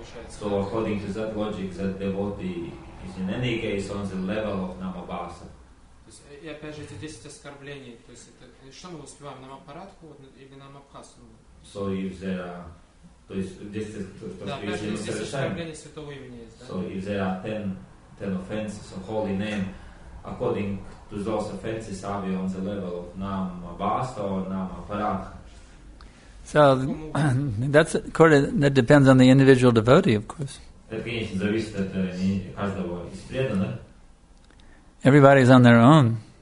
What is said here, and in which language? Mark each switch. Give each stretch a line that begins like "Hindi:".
English: So according to that logic, that devotee is in any case on the level of Namabhasa.
Russian: И опять же эти 10 оскорблений, то есть что мы успеваем, Намапарадху или Намабхасу?
English: So if there are,
Russian: то есть
English: 10
Russian: оскорблений святого имени есть, да?
English: So if there are 10 offenses of holy name, according to those offenses, are we on the level of Namabhasa or Namapradha? So that's according, that depends on the individual devotee, of course. Everybody is on their own.